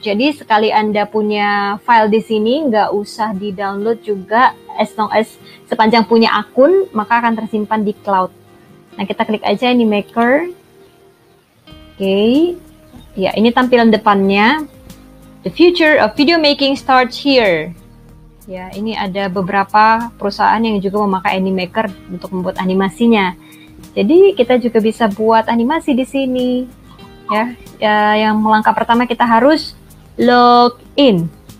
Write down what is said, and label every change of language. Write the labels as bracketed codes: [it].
[id] Jadi sekali Anda punya file di sini, nggak usah di download juga, [en] as long as [id] sepanjang punya akun maka akan tersimpan di cloud. Nah, kita klik aja ini maker. Oke. Ya, ini tampilan depannya. [en] The future of video making starts here. [id] Ya, ini ada beberapa perusahaan yang juga memakai AnyMaker untuk membuat animasinya. Jadi kita juga bisa buat animasi di sini. Ya, yang langkah pertama kita harus log in.